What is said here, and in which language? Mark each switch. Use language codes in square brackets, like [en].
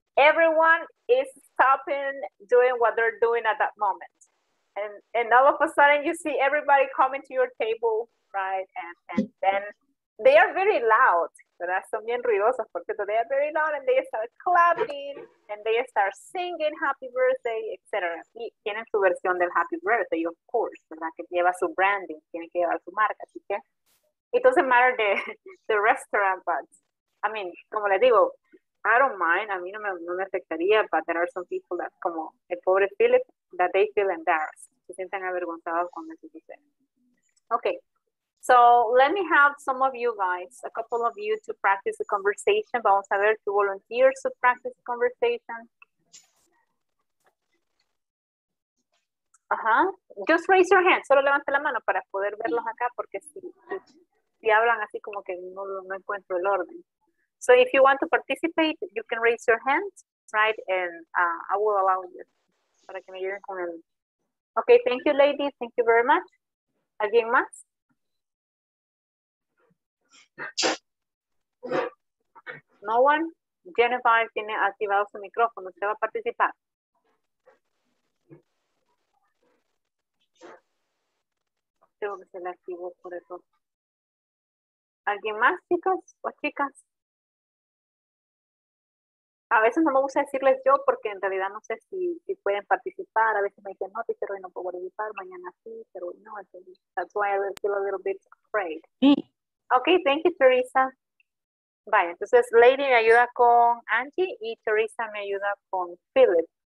[en] Everyone is stopping doing what they're doing at that moment. And all of a sudden you see everybody coming to your table, right? And then they are very loud. [es] Son bien ruidosos porque [en] they are very loud and they start clapping and they start singing happy birthday, etc. [es] Y tienen su versión del happy birthday, [en] of course, [es] ¿verdad? Que lleva su branding, tiene que llevar su marca, así que. [en] It doesn't matter the restaurant, but, I mean, [es] como les digo, [en] I don't mind, [es] a mí no me afectaría, [en] but there are some people that, [es] como el pobre Philip, [en] that they feel embarrassed. [es] Se sienten avergonzados cuando eso sucede. [en] Okay, so let me have some of you guys, a couple of you to practice the conversation. [es] Vamos a ver, [en] to volunteer to practice the conversation. Uh-huh. Just raise your hand. [es] Solo levante la mano para poder verlos acá, porque si hablan así como que no encuentro el orden. [en] So if you want to participate, you can raise your hand, right? And I will allow you. [es] Para que me ayuden con el... [en] Okay, thank you, ladies. Thank you very much. [es] ¿Alguien más? [en] No one? [es] Jennifer tiene activado su micrófono. ¿Usted va a participar? Tengo que se le activó por eso. ¿Alguien más, chicos o chicas? A veces no me gusta decirles yo porque en realidad no sé si pueden participar. A veces me dicen, no, pero hoy no puedo participar, mañana sí, pero hoy no. [en] That's why I feel a little bit afraid. [es] Sí. [en] Ok, thank you, Teresa. [es] Vale, entonces Lady me ayuda con Angie y Teresa me ayuda con Philip.